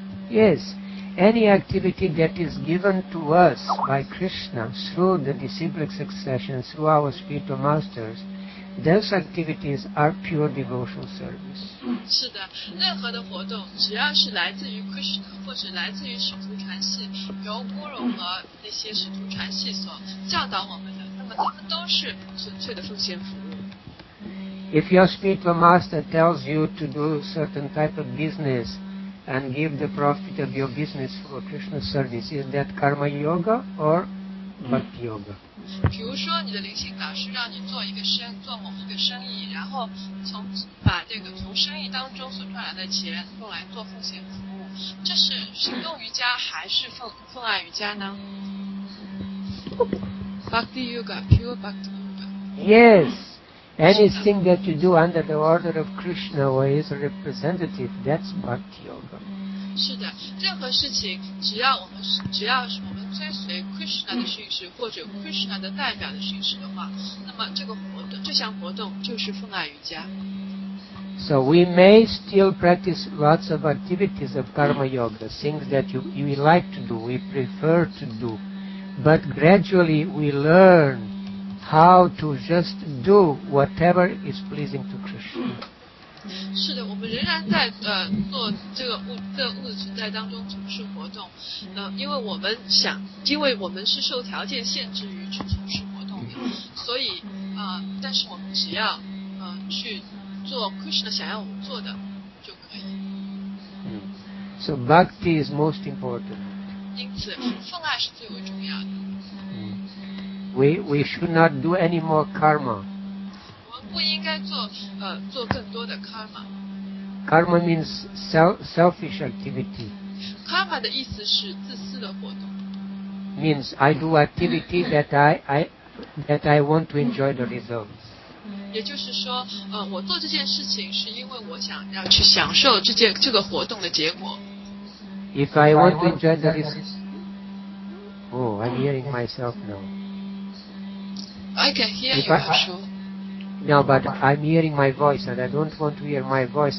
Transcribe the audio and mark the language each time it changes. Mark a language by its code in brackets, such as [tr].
[en] Yes, any activity that is given to us by Krishna through the disciplic succession through our spiritual masters, those activities are pure devotional service. [zh] 是的，任何的活动只要是来自于 Krishna 或者来自于使徒传系，由波罗和那些使徒传系所教导我们的，那么他们都是纯粹的奉献服务。 [en] If your spiritual master tells you to do certain type of business and give the profit of your business for Krishna service, is that karma yoga or bhakti yoga? [zh] 比如说你的灵性导师让你做某一个生意，然后从生意当中所赚来的钱用来做奉献服务，这是行动瑜伽还是奉爱瑜伽呢？ [en] Bhakti Yoga, pure Bhakti Yoga. Yes, anything that you do under the order of Krishna or his representative, that's Bhakti Yoga. [zh] 是的，任何事情只要我们追随 Krishna 的训示或者 Krishna 的代表的训示的话，那么这项活动就是奉爱瑜伽。 [en] So we may still practice lots of activities of karma yoga, things that you like to do, we prefer to do, but gradually we learn how to just do whatever is pleasing to Krishna. [zh] 是的，我们仍然在做这个物质存在当中从事活动，因为我们是受条件限制于去从事活动的，所以但是我们只要去做 Krishna 想要我们做的就可以。 [en] So bhakti is most important. [zh] 因此，奉爱是最为重要的。 [en] We should not do any more karma. [zh] 我们不应该做做更多的 karma. [en] Karma means selfish activity. [zh] Karma 的意思是自私的活动。 [en] Means I do activity that I want to enjoy the results. [zh] 也就是说，我做这件事情是因为我想要去享受这个活动的结果。 [en] If I want to enjoy the results, I'm hearing myself now. I can hear you, sure. No, but I'm hearing my voice, and I don't want to hear my voice.